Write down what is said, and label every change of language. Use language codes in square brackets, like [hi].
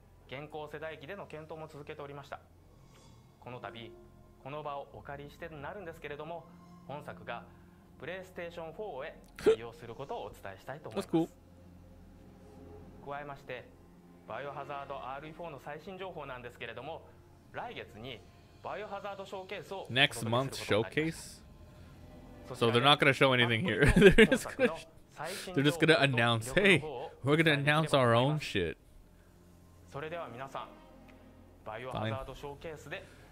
[ja] 現行世代機での検討も続けておりました。この度この場をお借りしてなるんですけれども、本作がプレイステーション4へ対応することをお伝えしたいと思います。加えまして、バイオハザード RE4 の最新情報なんですけれども、来月にバイオハザードショーケースを [en] Next month showcase? So they're not gonna show anything here. They're just gonna announce, hey, we're gonna announce our own shit. [ja] それでは皆さん、バイオハザードショーケースで